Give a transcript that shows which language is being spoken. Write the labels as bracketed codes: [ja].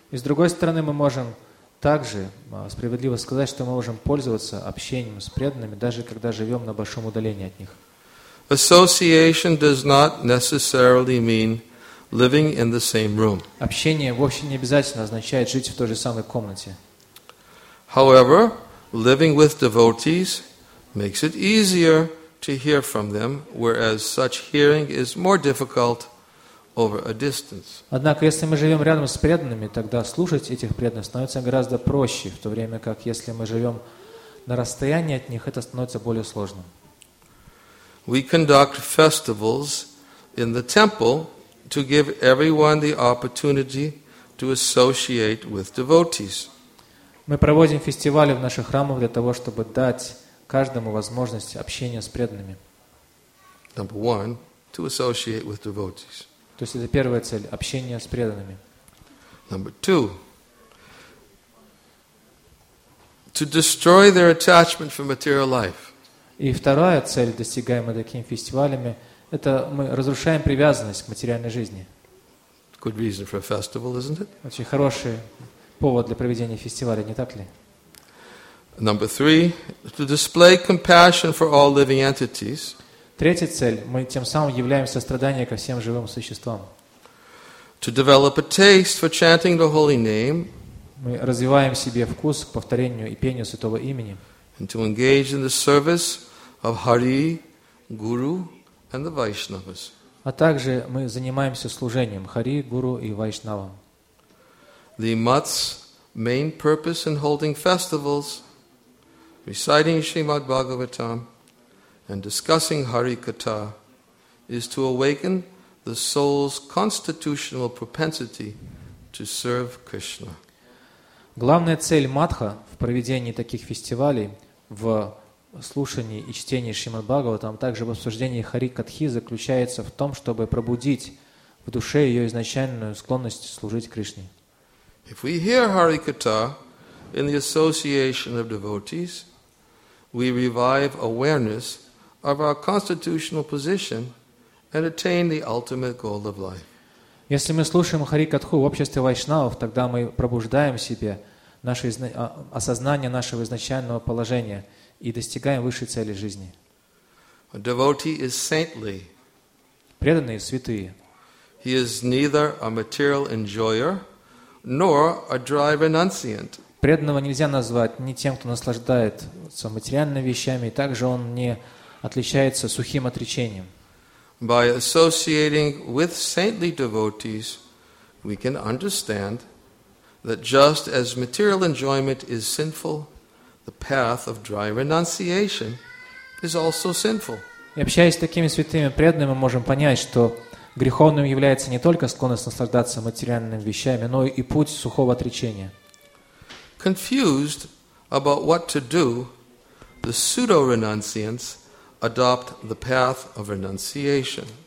[ru] И с другой стороны, мы можем также справедливо сказать, что мы можем пользоваться общением с преданными, даже когда живем на большом удалении от них. [en] Association does not necessarily mean living in the same room. [ru] Общение вовсе не обязательно означает жить в той же самой комнате. [en] However, living with devotees makes it easier to hear from them, whereas such hearing is more difficult over a distance. [ru] Однако, если мы живем рядом с преданными, тогда слушать этих преданных становится гораздо проще, в то время как если мы живем на расстоянии от них, это становится более сложным. [en] We conduct festivals in the temple to give everyone the opportunity to associate with devotees. [ru] Мы проводим фестивали в наших храмах для того, чтобы дать каждому возможность общения с преданными. [en] Number one, to associate with devotees. [ru] То есть это первая цель – общение с преданными. [en] Number two, to destroy their attachment for material life. [ru] И вторая цель, достигаемая такими фестивалями, Это мы разрушаем привязанность к материальной жизни. [en] Good reason for a festival, isn't it? [ru] Очень хороший повод для проведения фестиваля, не так ли? [en] Number three, to display compassion for all living entities. [ru] Третья цель. Мы тем самым являем сострадание ко всем живым существам. [en] To develop a taste for chanting the holy name. [ru] Мы развиваем в себе вкус к повторению и пению святого имени. [en] And to engage in the service of Hari, Guru, and the Vaishnavas. [ru] А также мы занимаемся служением Хари, Гуру и Вайшнавам. [en] The Mutt's main purpose in holding festivals, reciting Srimad Bhagavatam, and discussing Hari Katha, is to awaken the soul's constitutional propensity to serve Krishna. [ru] Главная цель Матха в проведении таких фестивалей, в слушании и чтении Шримад Бхагаватам, также в обсуждении Хари Катхи, заключается в том, чтобы пробудить в душе ее изначальную склонность служить Кришне. [en] If we hear Hari Katha in the association of devotees, we revive awareness of our constitutional position and attain the ultimate goal of life. [ru] Если мы слушаем Хари Катху в обществе вайшнавов, тогда мы пробуждаем в себе наше осознание нашего изначального положения и достигаем высшей цели жизни. [en] A devotee is saintly. [ru] Преданные святые. [en] He is neither a material enjoyer nor a dry renunciant. [ru] Преданного нельзя назвать ни тем, кто наслаждается материальными вещами, и также он не отличается сухим отречением. [en] By associating with saintly devotees, we can understand that just as material enjoyment is sinful, the path of dry renunciation is also sinful. [ru] И общаясь с такими святыми преданными, мы можем понять, что греховным является не только склонность наслаждаться материальными вещами, но и путь сухого отречения. [en] Confused about what to do, the pseudo-renunciants adopt the path of renunciation.